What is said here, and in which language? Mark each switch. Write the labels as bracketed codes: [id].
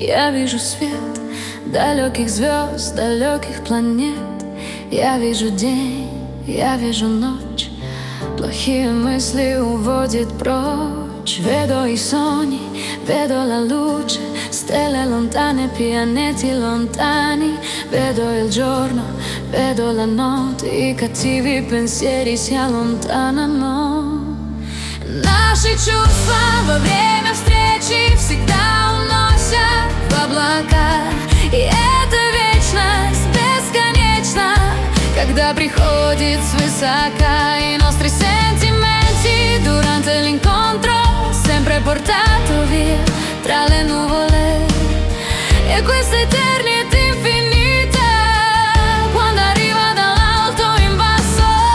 [ru] вижу свет далеких звезд, далеких планет. Я вижу день, я вижу ночь. Плохие мысли уводят прочь. [it] Vedo i sogni, vedo la luce. Stelle lontane, pianeti lontani. Vedo il giorno, vedo la notte. I cattivi pensieri si allontanano. [ru] Наши чувства во время встречи всегда уносят в облака. И эта вечность бесконечна, когда приходит свысока. [it] И nostri sentimenti durante l'incontro sempre portato via tra le nuvole. E questa eternità infinita quando arriva dall'alto in basso.